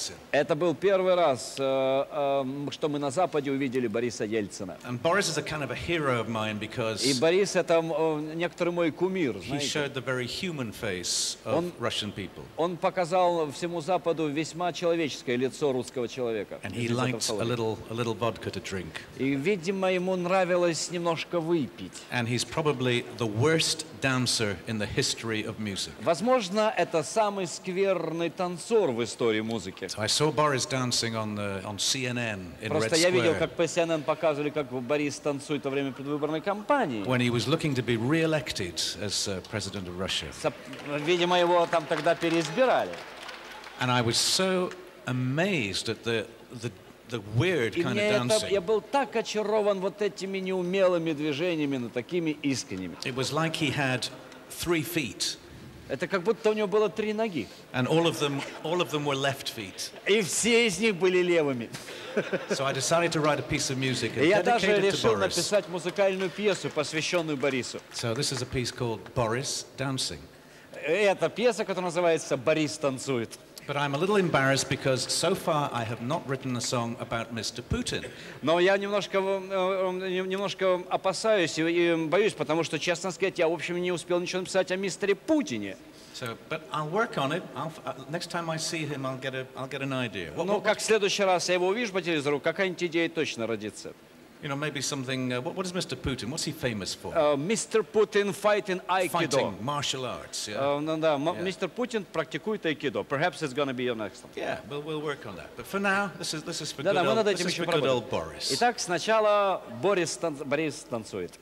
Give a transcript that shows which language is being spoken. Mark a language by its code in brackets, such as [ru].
[ru] Это был первый раз, что мы на Западе увидели Бориса Ельцина. [en] And Boris is a kind of a hero of mine because [ru] и Борис — это некоторый мой кумир, знаете. [en] He showed the very human face of Russian people. [ru] Он показал всему Западу весьма человеческое лицо русского человека. [en] And he liked a little vodka to drink. [ru] И, видимо, ему нравилось немножко выпить. [en] And he's probably the worst dancer in the history of music. [ru] Возможно, это самый скверный танцор в истории музыки. [en] So I saw Boris dancing on CNN in Red Square. [ru] Просто я видел, как по CNN показывали, как Борис танцует во время предвыборной кампании. [en] When he was looking to be re-elected as president of Russia. [ru] Видимо, его там тогда переизбирали. [en] And I was so amazed at the weird kind of dancing. [ru] Я был так очарован вот этими неумелыми движениями, но такими искренними. [en] It was like he had 3 feet. [ru] Это как будто у него было 3 ноги. [en] And all of them were left feet. [ru] И все из них были левыми. [en] So I decided to write a piece of music and dedicated to Boris. [ru] Я даже решил написать музыкальную пьесу, посвященную Борису. [en] So this is a piece called Boris Dancing. [ru] Это пьеса, которая называется «Борис танцует». [en] But I'm a little embarrassed because so far I have not written a song about Mr. Putin. [ru] Но я немножко опасаюсь и боюсь, потому что, честно сказать, я, в общем, не успел ничего написать о мистере Путине. [en] So, but I'll work on it. Next time I see him, I'll get an idea. [ru] Ну, как в следующий раз я его увижу по телевизору, какая-нибудь идея точно родится. [en] you know, maybe something. What is Mr. Putin? What's he famous for? Mr. Putin fighting Aikido. Fighting martial arts. Yeah. [ru] Yeah. Mr. Putin практикует Aikido. [en] Perhaps it's going to be your next one. Yeah, we'll work on that. But for now, this is for good old Boris. [ru] Итак, сначала Борис танцует.